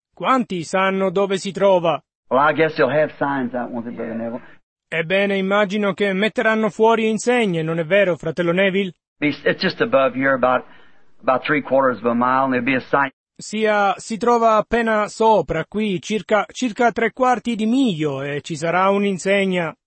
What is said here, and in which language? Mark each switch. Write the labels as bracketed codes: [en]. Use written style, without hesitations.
[it] Quanti sanno dove si trova? [en] Well, I guess they'll have signs out, won't they, Brother Neville? [it] Ebbene, immagino che metteranno fuori insegne, non è vero, fratello Neville? [en] It's just above here, about three quarters of a mile, and there'll be a sign. [it] Si trova appena sopra, qui, circa tre quarti di miglio, e ci sarà un'insegna.